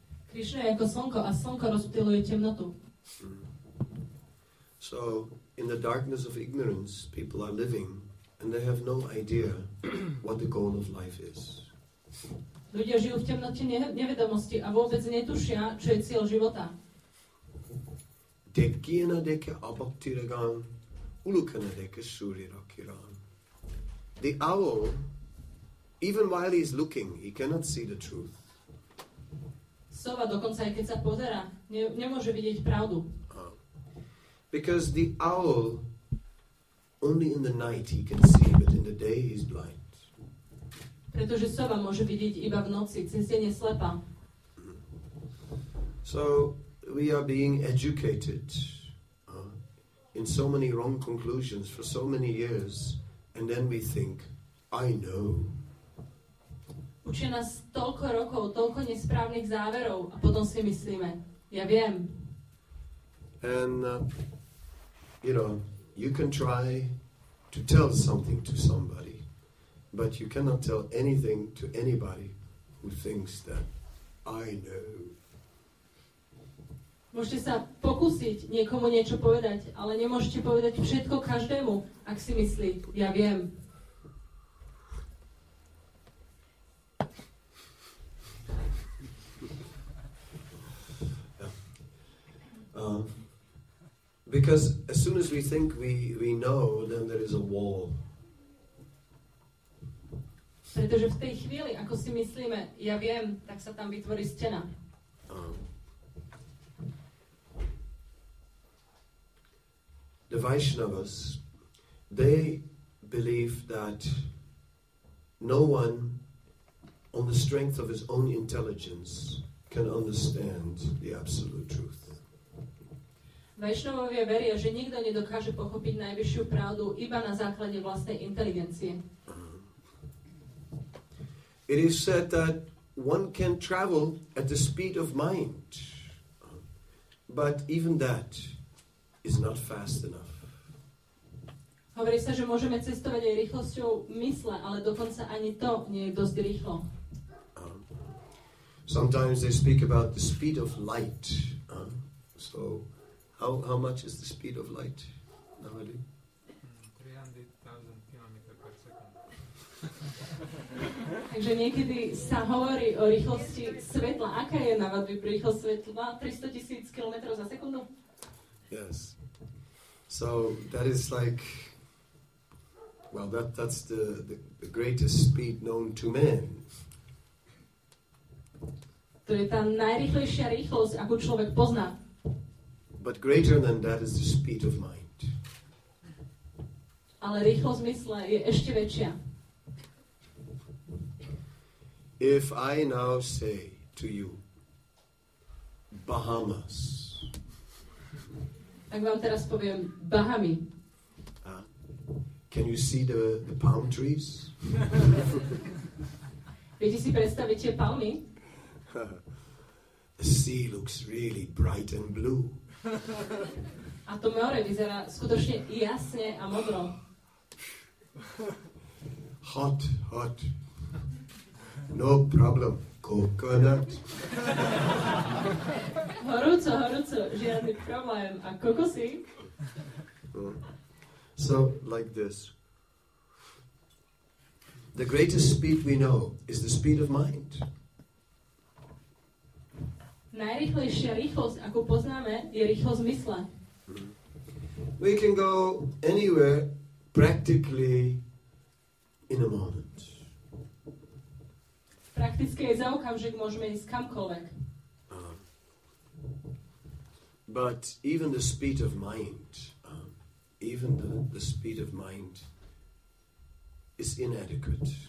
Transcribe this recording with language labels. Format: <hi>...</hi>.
<sk>Krishna je ako slnko a slnko rozptýluje temnotu.</sk> <en>So, in the darkness of ignorance, people are living and they have no idea what the goal of life is.</en> <sk>Ľudia žijú v temnote nevedomosti a vôbec netušia, čo je cieľ života. Dekkiena deke abaktiragan, ulukena deke surirakiran.</sk> <en>The owl, even while he is looking, he cannot see the truth.</en> <sk>Sova dokonca, keď sa pozerá, nemôže vidieť pravdu.</sk> <en>Because the owl, only in the night he can see, but in the day he's blind.</en> <sk>Pretože sova môže vidieť iba v noci, cez deň je slepá.</sk> <en>So we are being educated in so many wrong conclusions for so many years, and then we think, I know.</en> <sk>Učia nás toľko rokov, toľko nesprávnych záverov, a potom si myslíme, ja viem.</sk> <en>And... You know, you can try to tell something to somebody, but you cannot tell anything to anybody who thinks that I know.</en> <sk>Môžete sa pokúsiť niekomu niečo povedať, ale nemôžete povedať všetko každému, ak si myslí, ja viem.</sk> <en>Because as soon as we think we know, then there is a wall.</en> <sk>Pretože v tej chvíli, ako si myslíme, ja viem, tak sa tam vytvorí stena.</sk> <en>The Vaishnavas, they believe that no one on the strength of his own intelligence can understand the absolute truth.</en> <sk>Vaishnavovia veria, že nikto nedokáže pochopiť najvyššiu pravdu iba na základe vlastnej inteligencie.</sk> <en>It is said that one can travel at the speed of mind, but even that is not fast enough.</en> <sk>Hovorí sa, že môžeme cestovať aj rýchlosťou mysle, ale dokonca ani to nie je dosť rýchlo.</sk> <en>Sometimes they speak about the speed of light. How much is the speed of light nowadays? 300,000 km per second.</en> <sk>Takže niekedy sa hovorí o rýchlosti svetla. Aká je na vás rýchlosť svetla? 300,000 km za sekundu?</sk> <en>Yes. So that is like, well, that's the greatest speed known to man.</en> <sk>To je tá najrýchlejšia rýchlosť, akú človek pozná.</sk> <en>But greater than that is the speed of mind.</en> <sk>Ale rýchlosť mysle je ešte väčšia.</sk> <en>If I now say to you, Bahamas.</en> <sk>Ak vám teraz poviem, Bahamy.</sk> <en>Can you see the palm trees?</en> <sk>Viete si predstaviť tie palmy?</sk> <en>The sea looks really bright and blue.</en> <sk>A to more vyzerá skutočne jasne a modro.</sk> <en>Hot, hot. No problem. Coconut.</en> <sk>Horúco, horúco. Žiadny problém. A kokosík?</sk> <en>So, like this. The greatest speed we know is the speed of mind.</en> <sk>Najrýchlejšia rýchlosť, akú poznáme, je rýchlosť mysle.</sk> <en>We can go anywhere practically in a moment.</en> <sk>Prakticky za okamžik môžeme ísť kamkoľvek.</sk> <en>But even the speed of mind, even the speed of mind is inadequate.</en>